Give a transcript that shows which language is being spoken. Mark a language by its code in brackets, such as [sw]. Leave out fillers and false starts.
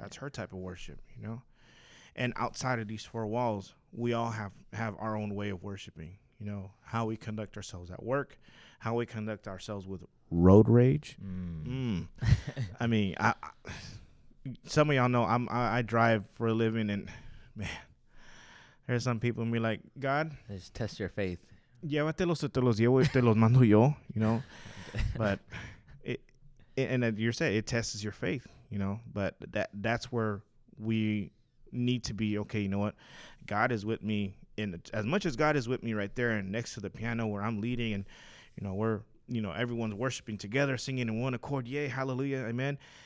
[en] That's her type of worship, you know. And outside of these four walls, we all have our own way of worshiping. You know, how we conduct ourselves at work, how we conduct ourselves with road rage. I mean, I some of y'all know I drive for a living, and man, there's some people and be like, God, just test your faith. [es] Llévatelos, te los llevo y te los mando yo. [en] You know, but and you're saying it tests your faith. You know, but that's where we need to be. Okay, you know what? God is with me. And as much as God is with me right there and next to the piano where I'm leading and, you know, we're, you know, everyone's worshiping together, singing in one accord. Yay. Hallelujah. Amen.